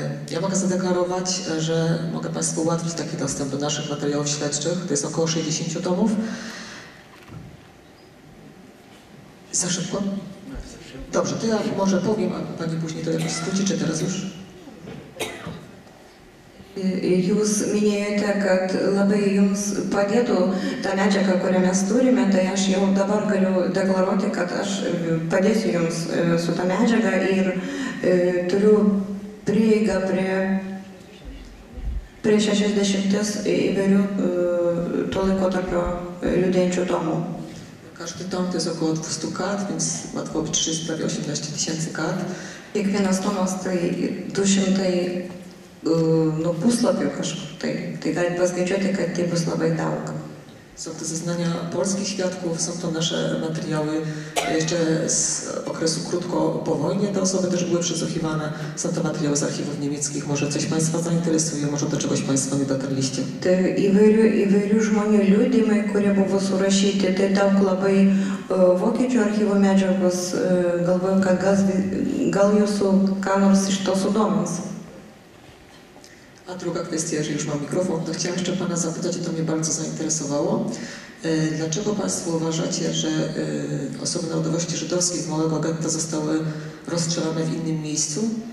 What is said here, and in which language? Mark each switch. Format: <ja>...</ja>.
<pl>Ja mogę zadeklarować, że mogę Państwu ułatwić taki dostęp do naszych materiałów śledczych. To jest około 60 tomów. Za szybko? Dobrze, to ja może powiem, a Pani później to jakoś skróci, czy teraz już?</pl> <lt>Jūs minėjote, kad labai jums padėtų tą medžiagą, kurią mes turime, tai aš jau dabar galiu deklaruoti, kad aš padėsiu jums su tą medžiagą ir turiu prieigą prie 60 įvairių to laikotarpio liudijančių tomų.</lt> <pl>Każdy tom to jest około 200 kart, więc łatwo obliczyć, prawie 18 tysięcy kart.</pl> <lt>Kiekwienas tomo</lt> <pl>z tej</pl> <lt>200 no puslapio kažkur, tai, tai galite paskaičiuoti, kad tai bus labai daug.</lt> <pl>Są to zeznania polskich świadków, są to nasze materiały jeszcze z okresu krótko po wojnie. Te osoby też były przesłuchiwane. Są to materiały z archiwów niemieckich. Może coś Państwa zainteresuje, może do czegoś Państwo nie dotarliście.</pl> <lt>Te įvairių žmonių liudijimai, kurie buvo surašyti, tai daug labai vokiečių archyvų medžiagos. Galvoju, kad gal jūsų ką nors iš to sudomins.</lt> <pl>A druga kwestia, jeżeli już mam mikrofon, to chciałam jeszcze Pana zapytać, to mnie bardzo zainteresowało. Dlaczego Państwo uważacie, że osoby narodowości żydowskiej z małego getta zostały rozstrzelane w innym miejscu?</pl>